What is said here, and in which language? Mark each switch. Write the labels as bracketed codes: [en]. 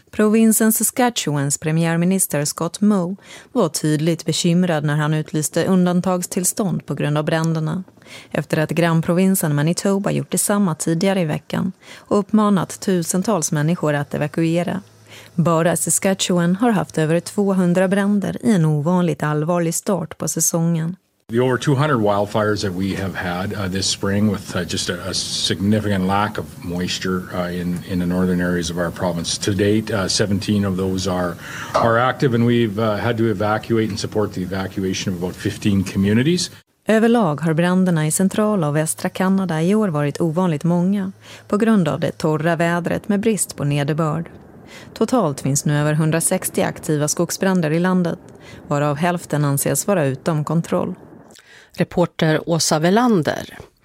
[sv] Provinsen Saskatchewans premiärminister Scott Moe var tydligt bekymrad när han utlyste undantagstillstånd på grund av bränderna, efter att grannprovinsen Manitoba gjort detsamma tidigare i veckan och uppmanat tusentals människor att evakuera. Bara Saskatchewan har haft över 200 bränder i en ovanligt allvarlig start på säsongen. [en] The over 200 wildfires that we have had this spring, with just a significant lack of moisture in the northern areas of our province. To date, 17 of those are active, and we've had to evacuate and support the evacuation of about 15 communities. [sv] Överlag har bränderna i centrala och västra Kanada i år varit ovanligt många på grund av det torra vädret med brist på nederbörd. Totalt finns nu över 160 aktiva skogsbränder i landet, varav hälften anses vara utom kontroll. Reporter Åsa Velander.